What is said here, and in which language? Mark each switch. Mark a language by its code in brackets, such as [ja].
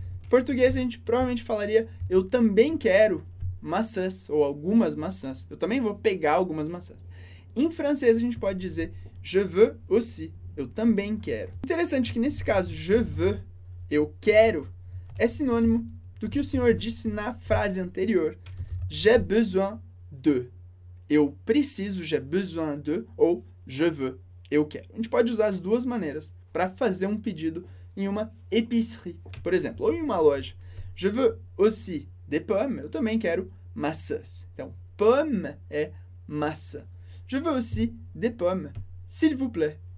[pt] Em português, a gente provavelmente falaria eu também quero maçãs ou algumas maçãs. Eu também vou pegar algumas maçãs. Em francês, a gente pode dizer [fr] je veux aussi, [pt] eu também quero. Interessante que nesse caso, [fr] je veux, [pt] eu quero, é sinônimo do que o senhor disse na frase anterior. [fr] J'ai besoin de. [pt] Eu preciso, [fr] j'ai besoin de, ou Je veux, [pt] eu quero. A gente pode usar as duas maneiras para fazer um pedido em uma épicerie, por exemplo, ou em uma loja. [fr] Je veux aussi des pommes, [pt] eu também quero maçãs. Então, pomme é maçã. [fr] Je veux aussi des pommes, s'il vous plaît.